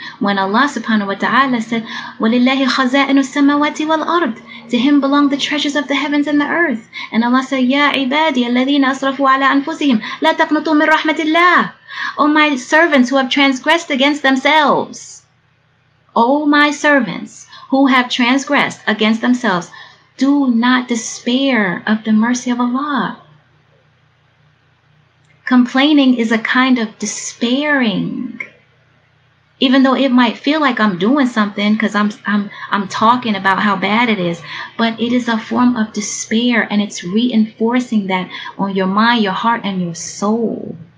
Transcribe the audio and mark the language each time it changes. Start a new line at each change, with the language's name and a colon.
English: When Allah subhanahu wa ta'ala said,
Arabic: وَلِلَّهِ خَزَائِنُ السَّمَوَاتِ وَالْأَرْضِ,
English: to him belong the treasures of the heavens and the earth. And Allah said,
Arabic: يَا عِبَادِيَ الَّذِينَ أَصْرَفُوا عَلَىٰ أَنفُسِهِمْ لَا تَقْنَطُوا مِن رَحْمَةِ اللَّهِ.
English: O my servants who have transgressed against themselves. O my servants who have transgressed against themselves, do not despair of the mercy of Allah. Complaining is a kind of despairing, even though it might feel like I'm doing something because I'm talking about how bad it is, but it is a form of despair, and it's reinforcing that on your mind, your heart, and your soul.